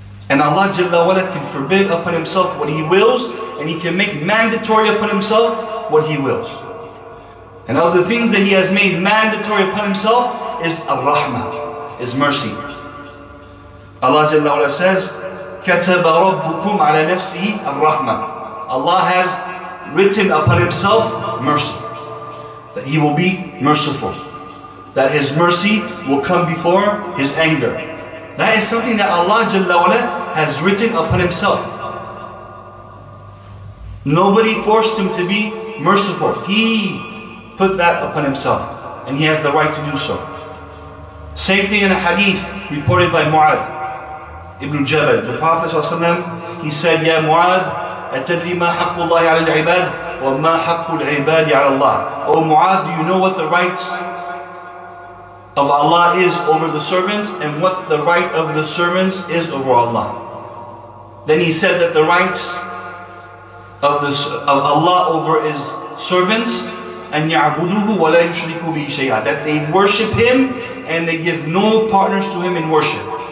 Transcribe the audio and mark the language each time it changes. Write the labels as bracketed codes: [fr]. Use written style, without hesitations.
[en] And Allah Jalla wa'ala can forbid upon Himself what He wills, and He can make mandatory upon Himself what He wills. And of the things that He has made mandatory upon Himself is Ar-Rahmah, is mercy. Allah Jalla wa'ala says, [ar] كَتَبَ رَبُّكُمْ عَلَى نَفْسِهِ الرَّحْمَةِ. [en] Allah has written upon Himself mercy, that He will be merciful, that His mercy will come before His anger. That is something that Allah Jalla wa'ala has written upon Himself. Nobody forced Him to be merciful. He put that upon Himself, and He has the right to do so. Same thing in a hadith reported by Mu'ad ibn Jabal. The Prophet ﷺ, he said, Ya Mu'ad, [ar] أَتَدْرِي مَا حَقُّ اللَّهِ عَلَى الْعِبَادِ وَمَا حَقُّ الْعِبَادِ عَلَى اللَّهِ. [en] O Mu'ad, do you know what the rights of Allah is over the servants, and what the right of the servants is over Allah? Then he said that the rights of Allah over His servants, [ar] أَنْ يَعْبُدُهُ وَلَا يُشْرِكُ بِهِ شَيْئًا, [en] that they worship Him and they give no partners to Him in worship.